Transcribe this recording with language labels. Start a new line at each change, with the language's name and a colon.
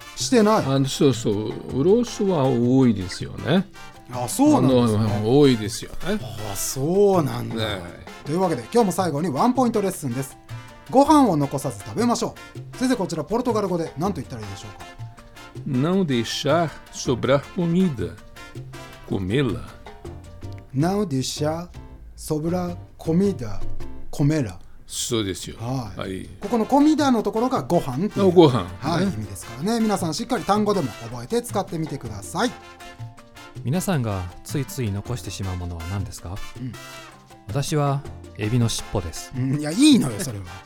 Japanese: してない。そうそう、ロスは多いですよね。あ、そうなんですね。多いですよ。あ、そうなんだ、ね、というわけで今日も最後にワンポイントレッスンです。ご飯を残さず食べましょう。先生、こちらポルトガル語で何と言ったらいいでしょうか？
Portuguese: Não deixar sobrar comida, comê-la. Não deixar sobrar comida, comê-la.
Japanese: そうですよ、はい、はい。ここのコミダのところがご飯っていう、ご飯、はい、意味ですからね。皆さんしっかり単語でも覚えて使ってみてください。皆さんがついつい残してしまうものは何ですか？うん、私はエビの尻尾です。いや、いいのよそれは。